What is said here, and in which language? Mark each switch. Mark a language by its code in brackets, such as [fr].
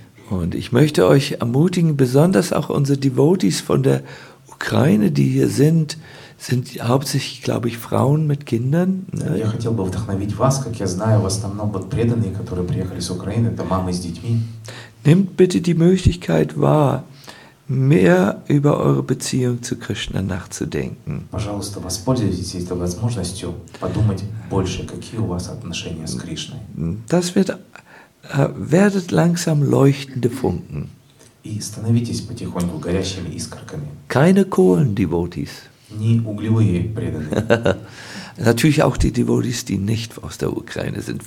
[de] Und ich möchte euch ermutigen, besonders auch unsere Devotees von der Ukraine, die hier sind, sind hauptsächlich, glaube ich, Frauen mit Kindern. Ich möchte euch [ru] вдохновить вас, как я знаю, в основном вот преданные, которые приехали с Украины, это мамы с детьми. [de] Nehmt bitte die Möglichkeit wahr, mehr über eure Beziehung zu Krishna nachzudenken. [ru] Пожалуйста, воспользуйтесь этой возможностью подумать больше, какие у вас отношения с Кришной. [de] Das wird werdet langsam leuchtende Funken. [ru] И становитесь потихоньку горящими искорками. [de] Keine Kohlen-Devotees. [ru] Не углевые преданные. [de] Natürlich auch die Devotees, die nicht aus der Ukraine sind.